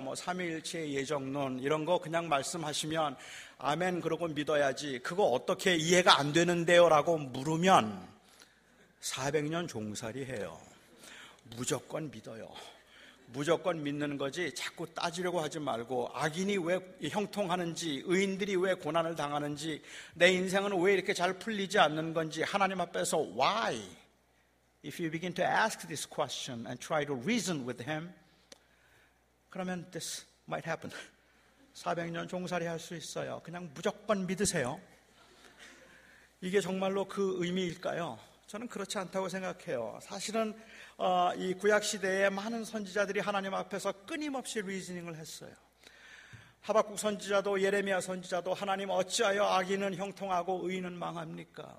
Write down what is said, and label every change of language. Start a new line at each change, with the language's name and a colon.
Korean: 뭐 삼위일체의 예정론 이런 거 그냥 말씀하시면 아멘 그러고 믿어야지 그거 어떻게 이해가 안 되는데요 라고 물으면 400년 종살이 해요. 무조건 믿어요. 무조건 믿는 거지 자꾸 따지려고 하지 말고 악인이 왜 형통하는지 의인들이 왜 고난을 당하는지 내 인생은 왜 이렇게 잘 풀리지 않는 건지 하나님 앞에서 why?
English: If you begin to ask this question and try to reason with him,
Korean: 그러면
English: this might happen.
Korean: 400년 종살이 할 수 있어요. 그냥 무조건 믿으세요. 이게 정말로 그 의미일까요? 저는 그렇지 않다고 생각해요. 사실은 이 구약시대에 많은 선지자들이 하나님 앞에서 끊임없이 리즈닝을 했어요. 하박국 선지자도 예레미야 선지자도 하나님 어찌하여 악인은 형통하고 의인은 망합니까?